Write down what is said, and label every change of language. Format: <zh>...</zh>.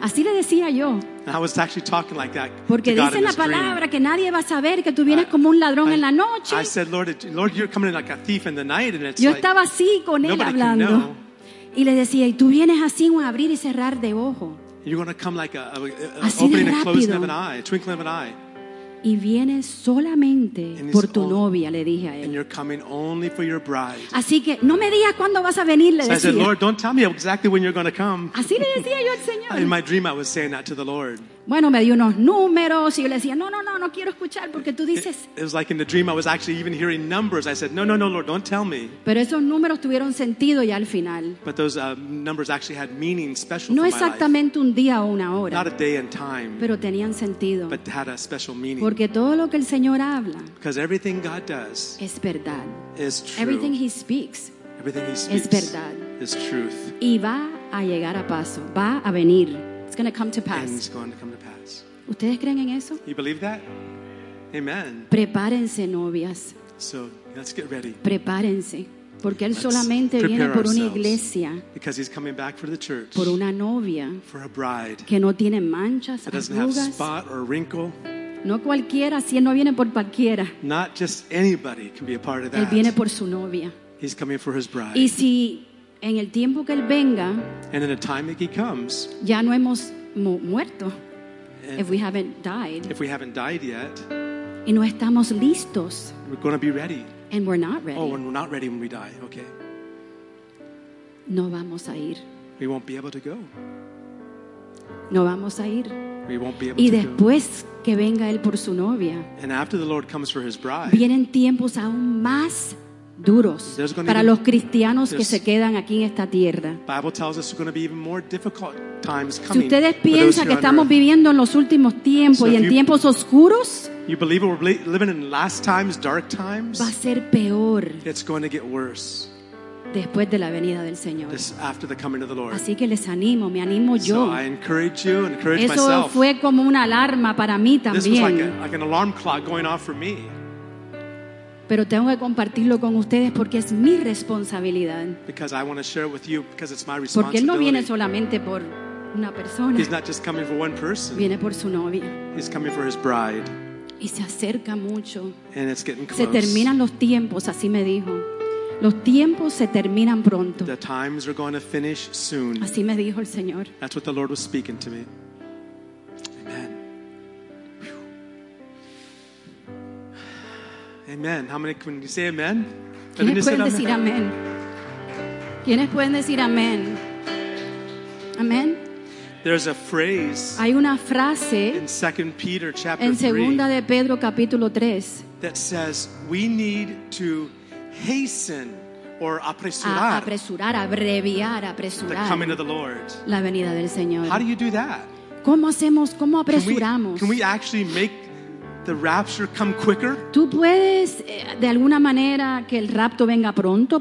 <es>Así le decía yo.</es> <en>And I was actually talking like that.</en> <es>Porque</es> <en>to</en> <es>dice</es> <en>God in</en> <es>la palabra que nadie va a saber que tú vienes como un ladrón en la noche.</es> <en>I said, Lord, you're coming in like a thief in the night, and it's</en> <es>yo</es> <en>like,</en> <es>estaba así con él hablando. Y le decía, y tú vienes así en un abrir y cerrar de ojo.</es> <en>You're going to come like a opening and closing of an eye, a twinkling of an eye.</en> <es>Y vienes solamente por tu novia, le dije a él.</es> <en>And you're coming only for your bride.</en> <es>Así que no me digas cuándo vas a venir, le decía.</es> <en>I said, Lord, don't tell me exactly when you're going to come.</en> <es>Así le decía yo al Señor.</es> <en>In my dream, I was saying that to the Lord.</en> <es>Bueno, me dio unos números y yo le decía, no quiero escuchar porque tú dices.</es> <en>It was like in the dream, I was actually even hearing numbers. I said, no, Lord, don't tell me.</en> <es>Pero esos números tuvieron sentido ya al final.</es> <en>But those numbers actually had meaning special</en> <es>no</es> <en>for my</en> <es>No exactamente un día o una hora.</es> <en>Not a day and time.</en> <es>Pero tenían sentido.</es> <en>But had a special meaning.</en> <es>Porque todo lo que el Señor habla.</es> <en>Because everything God does.</en> <es>Es verdad.</es> <en>Is true. Everything he speaks.</en> <es>Es verdad.</es> <en>Is truth.</en> <es>Y va a llegar a paso. Va a venir.</es> <en>It's going to come to pass. And it's going to come to pass.</en> <es>¿Ustedes creen en eso?</es> <en>You believe that? Amen.</en> <es>Prepárense, novias.</es> <en>So, let's get ready.</en> <es>Prepárense. Porque Él solamente viene por una iglesia.</es> <en>Because He's coming back for the church.</en> <es>Por una novia.</es> <en>For a bride.</en> <es>Que no tiene manchas,</es> <en>arrugas. That doesn't have spot or wrinkle.</en> <es>No cualquiera, si Él no viene por cualquiera.</es> <en>Not just anybody can be a part of that.</en> <es>Él viene por su novia.</es> <en>He's coming for His bride.</en> <es>Y si en el tiempo que Él venga,</es> <en>and in the time that He comes,</en> <es>ya no hemos muerto,</es> <en>if we haven't died, if we haven't died yet, y no estamos listos, we're going to be ready, and we're not ready. Oh, and we're not ready when we die. Okay.</en> <es>No vamos a ir.</es> <en>We won't be able to go.</en> <es>No vamos a ir.</es> <en>We won't be able</en> <es>y después</es> <en>to go.</en> <es>Que venga Él por su novia,</es> <en>and after the Lord comes for His bride,</en> <es>vienen tiempos aún más duros para los cristianos que se quedan aquí en esta tierra.</es> <en>Bible tells us going to be even more difficult times coming.</en> <es>Si ustedes piensan que estamos viviendo en los últimos tiempos y en tiempos oscuros,</es> <en>you believe we're living in last times, dark times,</en> <es>va a ser peor.</es> <en>It's going to get worse.</en> <es>Después de la venida del Señor.</es> <en>This, after the coming of the Lord.</en> <es>Así que les animo, me animo yo.</es> <en>So I encourage you, encourage</en> <es>eso</es> <en>myself.</en> <es>Fue como una alarma para mí también.</es> <en>This was like an alarm clock going off for me.</en> <es>Pero tengo que compartirlo con ustedes porque es mi responsabilidad.</es> <en>Because I want to share with you because it's my responsibility.</en> <es>Porque Él no viene solamente por una persona.</es> <en>He's not just coming for one person.</en> <es>Viene por su novia.</es> <en>He's coming for His bride.</en> <es>Y se acerca mucho.</es> <en>And it's getting close.</en> <es>Se terminan los tiempos, así me dijo. Los tiempos se terminan pronto.</es> <en>The times are going to finish soon.</en> <es>Así me dijo el Señor.</es> <en>That's what the Lord was speaking to me. Amen. Amen. How many can you say amen?</en> <es>¿Quiénes pueden decir amén? ¿Quiénes pueden decir amén? Amén.</es> <en>There's a phrase.</en> <es>Hay una frase</es> <en>in 2 Peter chapter</en> <es>3. En segunda de Pedro capítulo 3.</es> <en>That says we need to hasten or apresurar.</en> <es>Apresurar, abreviar, apresurar.</es> <en>The coming of the Lord.</en> <es>La venida del Señor.</es> <en>How do you do that?</en> <es>¿Cómo hacemos? ¿Cómo apresuramos?</es> <en>Can we actually make the rapture come quicker?</en> <es>¿Tú puedes de alguna manera que el rapto venga pronto?</es>